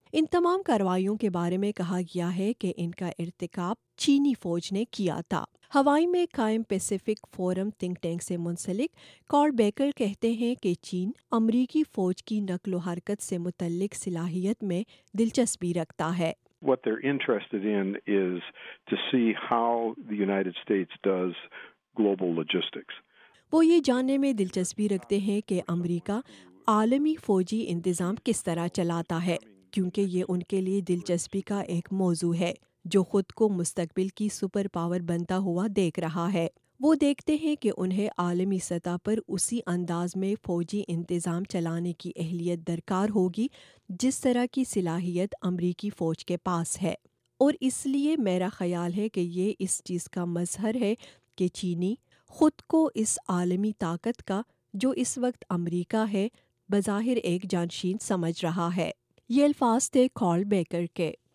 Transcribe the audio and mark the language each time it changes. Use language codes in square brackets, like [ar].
[ur] ان تمام کاروائیوں کے بارے میں کہا گیا ہے کہ ان کا ارتکاب چینی فوج نے کیا تھا. ہوائی میں قائم پیسیفک فورم تھنک ٹینک سے منسلک کارل بیکر کہتے ہیں کہ چین امریکی فوج کی نقل و حرکت سے متعلق صلاحیت میں دلچسپی رکھتا ہے. [en] What they're interested in is to see how the United States does global logistics. [ur] وہ یہ جاننے میں دلچسپی رکھتے ہیں کہ امریکہ عالمی فوجی انتظام کس طرح چلاتا ہے، کیونکہ یہ ان کے لیے دلچسپی کا ایک موضوع ہے جو خود کو مستقبل کی سپر پاور بنتا ہوا دیکھ رہا ہے. وہ دیکھتے ہیں کہ انہیں عالمی سطح پر اسی انداز میں فوجی انتظام چلانے کی اہلیت درکار ہوگی جس طرح کی صلاحیت امریکی فوج کے پاس ہے، اور اس لیے میرا خیال ہے کہ یہ اس چیز کا مظہر ہے کہ چینی خود کو اس عالمی طاقت کا جو اس وقت امریکہ ہے بظاہر ایک جانشین سمجھ رہا ہے. یہ الفاظ تھے کارل بیکر کے.